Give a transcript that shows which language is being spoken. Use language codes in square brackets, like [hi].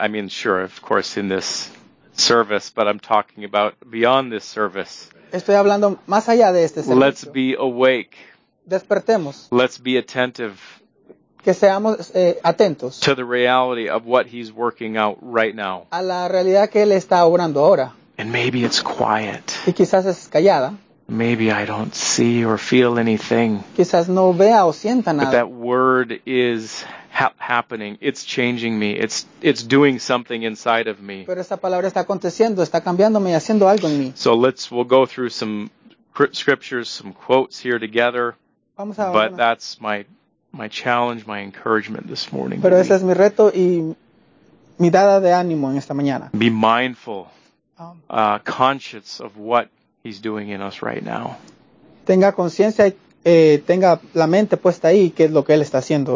[en] I mean, sure, of course, in this service, but I'm talking about beyond this service. [es] Estoy hablando más allá de este servicio. [en] Let's be awake. [es] Despertemos. [en] Let's be attentive. [es] Que seamos atentos. [en] To the reality of what he's working out right now. [es] A la realidad que él está obrando ahora. [en] And maybe it's quiet. [es] Y quizás es callada. [en] Maybe I don't see or feel anything. [es] Quizás no vea o sienta nada. [en] But that word is happening. It's changing me. It's doing something inside of me. [es] Pero esa palabra está aconteciendo, está cambiándome y haciendo algo en mí. [en] So we'll go through some scriptures, some quotes here together. [es] Vamos a [en] but that's my challenge, my encouragement this morning. [es] Pero ese es mi reto y mi dada de ánimo en esta mañana. [en] Be mindful, conscious of what he's doing in us right now. [es] Tenga conciencia, tenga la mente puesta ahí, qué es lo que él está haciendo.